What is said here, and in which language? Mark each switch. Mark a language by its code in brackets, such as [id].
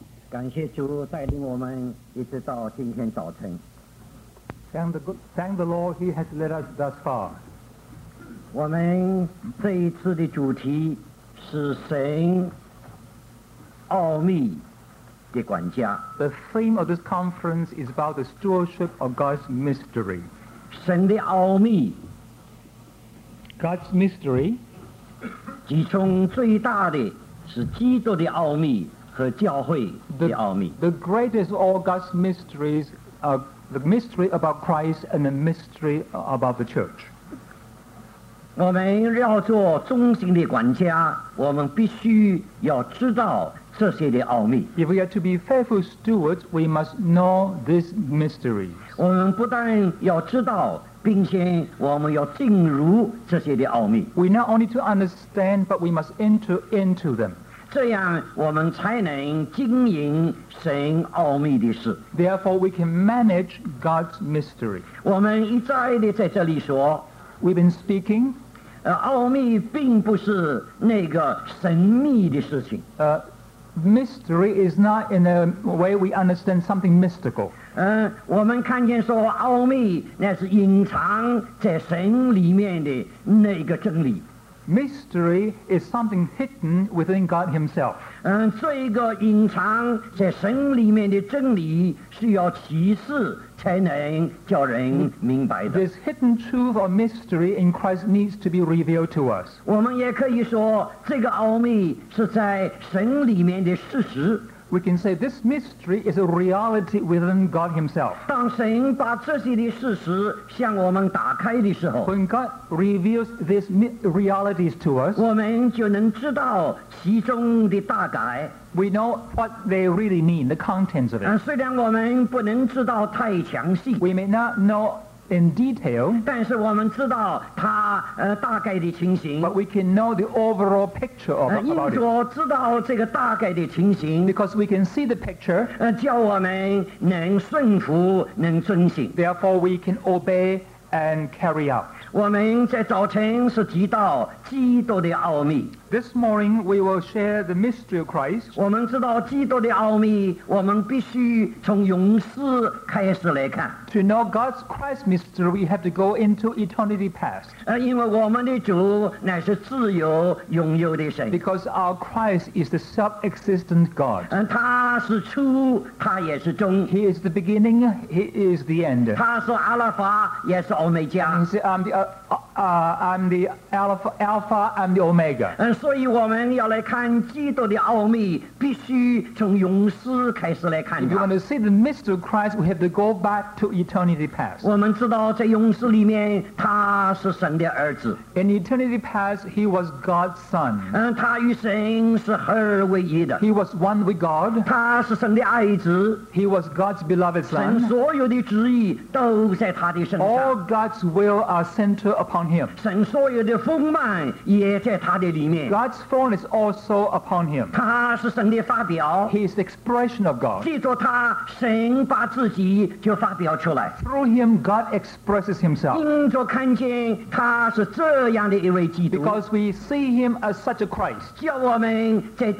[zh] 感谢主带领我们一直到今天早晨。 [en] Thank the Lord, He has led us thus far. [zh] 我们这一次的主题是神奥秘的管家。 [en] The theme of this conference is about the stewardship of God's mystery. [zh] 神的奥秘。 [en] God's mystery. [zh] 其中最大的是基督的奥秘。和教会的奥秘。 [en] The greatest of all God's mysteries are the mystery about Christ and the mystery about the church. [zh] 我们要做忠心的管家，我们必须要知道这些的奥秘。 [en] If we are to be faithful stewards, we must know these mysteries. [zh] 我们不但要知道，并且我们要进入这些的奥秘。 [en] We not only to understand, but we must enter into them. [zh] 这样我们才能经营神奥秘的事。 [en] Therefore, we can manage God's mystery. [zh] 我们一再地在这里说 [en] We've been speaking. [zh] 奥秘并不是那个神秘的事情。 [en] Mystery is not in a way we understand something mystical. [zh] 我们看见说奥秘那是隐藏在神里面的那个真理。 [en] Mystery is something hidden within God Himself. [zh] 这个隐藏在神里面的真理需要启示才能叫人明白的。 [en] This hidden truth or mystery in Christ needs to be revealed to us. [zh] 我们也可以说这个奥秘是在神里面的事实。 [en] We can say this mystery is a reality within God Himself. [zh] 当神把这些的事实向我们打开的时候 [en] When God reveals these realities to us, [zh] 我们就能知道其中的大概 [en] We know what they really mean, the contents of it. [zh] 虽然我们不能知道太详细 [en] We may not know in detail, [zh] 但是我们知道它大概的情形 [en] but we can know the overall picture of about it. [zh] 因着知道这个大概的情形 [en] because we can see the picture, [zh] 叫我们能顺服能遵行 [en] therefore we can obey and carry out. [zh] 我们在早晨是提到基督的奥秘 [en] this morning we will share the mystery of Christ. [zh] 我们知道基督的奥秘我们必须从永世开始来看 [en] To know God's Christ mystery, we have to go into eternity past. [zh] 因为我们的主乃是自由拥有的神。 [en] Because our Christ is the self-existent God. [zh] 他是初，他也是终。 [en] He is the beginning, he is the end. [zh] 他是阿拉法，也是欧美加。 [en] He said, I'm the Alpha, I'm the Omega. [zh] 所以我们要来看基督的奥秘，必须从永世开始来看。 [en] If you want to see the mystery of Christ, we have to go back to eternity past. [zh] 我们知道在永世里面，他是神的儿子。 [en] In eternity past, he was God's son. [zh] 他与神是合而为一的。 [en] He was one with God. [zh] 他是神的爱子。 [en] He was God's beloved son. [zh] 神所有的旨意都在他的身上。 [en] All God's will are centered upon him. [zh] 神所有的丰满也在他的里面。 [en] God's fullness is also upon him. [zh] 他是神的发表。 [en] He is the expression of God. [zh] 记住他，神把自己就发表。 [en] Through him, God expresses himself. Because we see him as such a Christ.